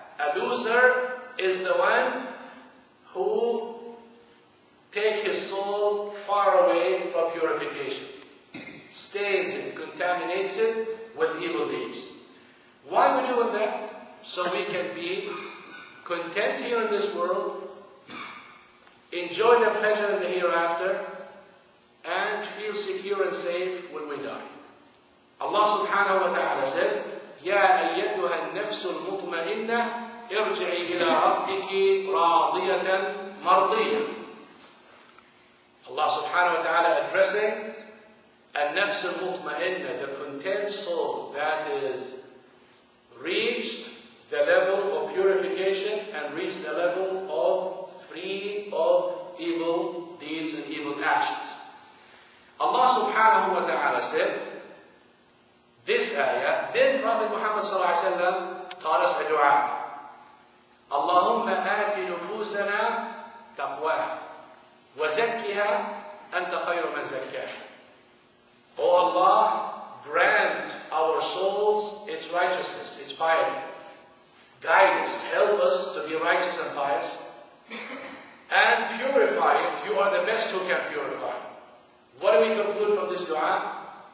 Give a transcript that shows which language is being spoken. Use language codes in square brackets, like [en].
[en] A loser is the one who takes his soul far away from purification, stains it, contaminates it with evil deeds. Why would you want that? So we can be content here in this world, enjoy the pleasure in the hereafter, and feel secure and safe when we die. [ar] Allah subhanahu wa ta'ala said, يَا أَيَّتُهَا النَّفْسُ الْمُطْمَئِنَّةِ ارْجِعِي إِلَىٰ رَبِّكِ رَاضِيَةً مَرْضِيَةً. [en] Allah subhanahu wa ta'ala addressing [ar] النفس المطمئنة, [en] the content soul that is reached the level of purification and reached the level of free of evil deeds and evil actions. Allah subhanahu wa ta'ala said this ayah, then Prophet Muhammad sallallahu alayhi wa sallam taught us a dua. [ar] Allahumma aati nufusana taqwaha وَزَكِّهَا أَنْتَ خَيْرُ مَنْ زَكَّاهَا. [en] O Allah, grant our souls its righteousness, its piety. Guide us, help us to be righteous and pious. And purify it. You are the best who can purify. What do we conclude from this dua?